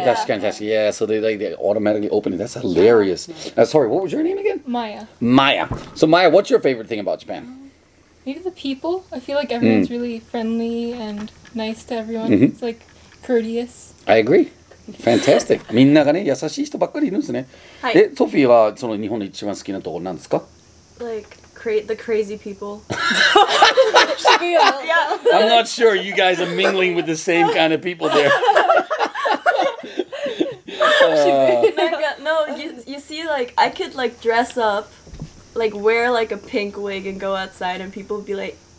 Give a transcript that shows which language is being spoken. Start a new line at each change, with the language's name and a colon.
English: Yeah, so they like they automatically open it. That's hilarious. Sorry, what was your name again? Maya. So Maya, what's your favorite thing about Japan? Maybe the people. I feel like everyone's really friendly and nice to everyone. It's like courteous. I agree. Fantastic.
Japanese: みんながね、優しい人ばっかりいるんですね。はい。え、ソフィーはその日本の一番好きなところなんですか？
English: Like, the crazy people. Yeah. I'm not sure you guys are mingling with the same kind of people there. No, you see, like, I could, like, dress up, like, wear, like, a pink wig and go outside and people would be like,